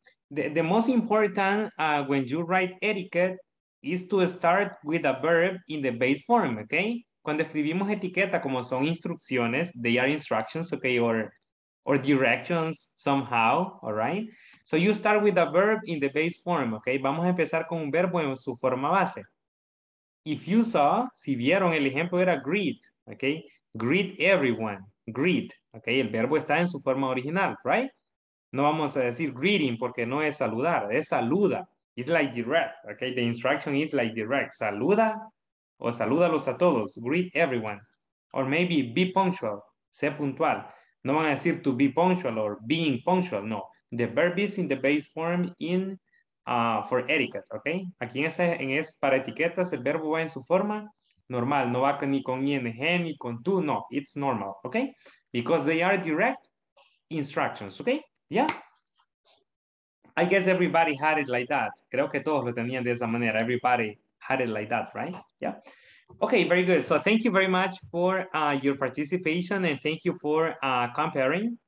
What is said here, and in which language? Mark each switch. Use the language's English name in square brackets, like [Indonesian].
[English] The most important when you write etiquette is to start with a verb in the base form, okay? [Spanish] Cuando escribimos etiqueta, como son instrucciones, [English] they are instructions, okay, or directions somehow, all right? So you start with a verb in the base form, okay? [Spanish] Vamos a empezar con un verbo en su forma base. [English] If you saw, [Spanish] si vieron, el ejemplo era greet, okay? [English] Greet everyone, greet, [Spanish] okay? El verbo está en su forma original, right? No vamos a decir greeting porque no es saludar, es saluda. [English] It's like direct, okay? The instruction is like direct, saluda. [Spanish] O salúdalos a todos, [English] greet everyone. Or maybe be punctual, [Spanish] sé puntual. No van a decir [English] to be punctual or being punctual, [Spanish] no. [English] The verb is in the base form in for etiquette, ok? [Spanish] Aquí en para etiquetas, el verbo va en su forma normal. No va ni con ing, ni con tú, no. [English] It's normal, ok? Because they are direct instructions, ok? Yeah? I guess everybody had it like that. [Spanish] Creo que todos lo tenían de esa manera, everybody. [English] Had it like that, right? Yeah. Okay, very good. So thank you very much for your participation and thank you for comparing.